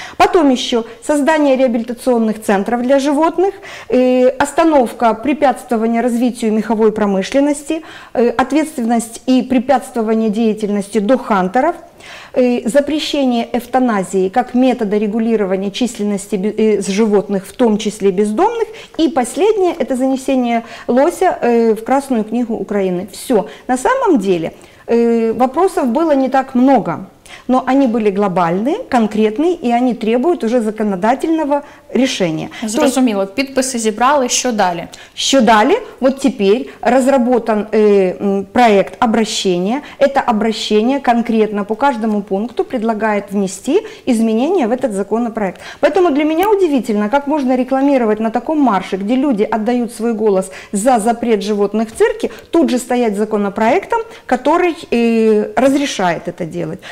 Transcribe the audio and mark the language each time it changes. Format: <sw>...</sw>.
<ru>Потом еще создание реабилитационных центров для животных, остановка препятствования развитию меховой промышленности, ответственность и препятствование деятельности дохантеров, запрещение эвтаназии как метода регулирования численности животных, в том числе бездомных. И последнее – это занесение лося в Красную книгу Украины. Все. На самом деле вопросов было не так много, но они были глобальные, конкретные, и они требуют уже законодательного решения.</ru> <uk>Зрозуміло, підписи зібрали, що далі? Що далі?</uk> <ru>Вот теперь разработан проект обращения. Это обращение конкретно по каждому пункту предлагает внести изменения в этот законопроект. Поэтому для меня удивительно, как можно рекламировать на таком марше, где люди отдают свой голос за запрет животных в цирке, тут же стоять законопроектом, который разрешает это делать.</ru>